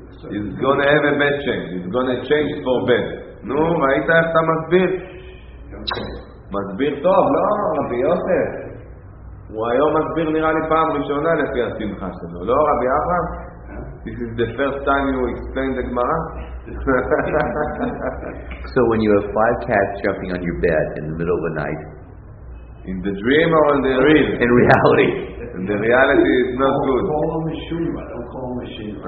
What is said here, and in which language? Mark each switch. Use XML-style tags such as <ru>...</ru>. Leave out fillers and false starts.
<en>He's going to change for bad.</en> <he>No, ראית איך אתה מסביר? מסביר טוב, לא, רבי יוסף. הוא היום מסביר נראה לי פעם ראשונה לפי השמחה שלו, לא רבי אברהם?</he> <en>This is the first time you explain the Gemara. So when you have five cats jumping on your bed in the middle of the night, in the dream or in the real? In reality. And the reality is not good. Don't call them Shunra, don't call them Shunra.</en>